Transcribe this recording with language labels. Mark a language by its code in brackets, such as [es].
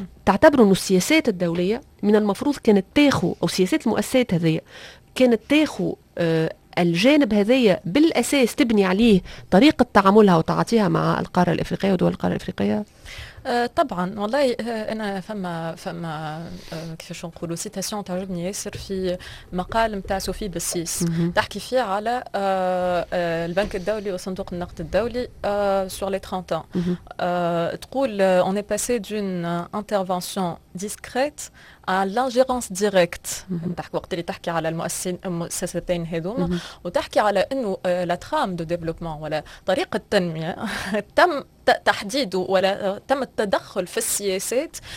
[ar] تعتبروا أن السياسات الدولية من المفروض كانت تاخو، أو سياسات المؤسسات هذه كانت تاخو الجانب هذية بالأساس تبني عليه طريقة تعاملها وتعاطيها مع القارة الإفريقية ودول القارة الإفريقية؟ طبعا والله انا فما كيفاش نقولوا سيتاسيون تعجبني ياسر في مقال نتاع سوفي بسيس تحكي فيه على البنك الدولي وصندوق النقد الدولي [fr] sur les 30 ans. تقول on est passé d'une intervention discrète à l'ingérence directe. [ar] تحكي وقت اللي تحكي على المؤسستين هذوما وتحكي على انه [fr] لا ترام دو ديفلوبمون [ar] ولا طريقة التنمية تم تحديد ولا تم التدخل في السياسات